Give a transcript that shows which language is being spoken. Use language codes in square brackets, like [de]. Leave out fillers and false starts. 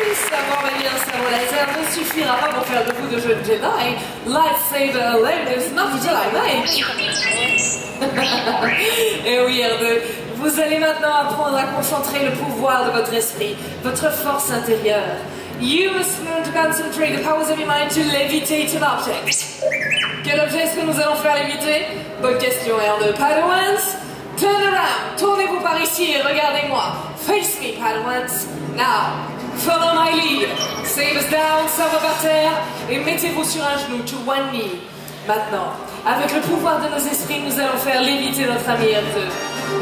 [fr] Savoir manier un sabre laser ne suffira pas pour faire de vous de jeunes Jedi. [en] Lightsaber alone is not a Jedi Knight. [fr] Et oui, R2, vous allez maintenant apprendre à concentrer le pouvoir de votre esprit, votre force intérieure. [en] You must learn to concentrate the powers of your mind to levitate an object. [fr] Quel objet est-ce que nous allons faire léviter? Bonne question, R2. [en] Padawans, turn around. [fr] Tournez-vous par ici et regardez-moi. [en] Face me, Padawans. Now, follow my lead. Sabres down, [fr] sabres par terre. Et mettez-vous sur un genou, [en] to one knee. [fr] Maintenant, avec le pouvoir de nos esprits, nous allons faire léviter notre ami R2.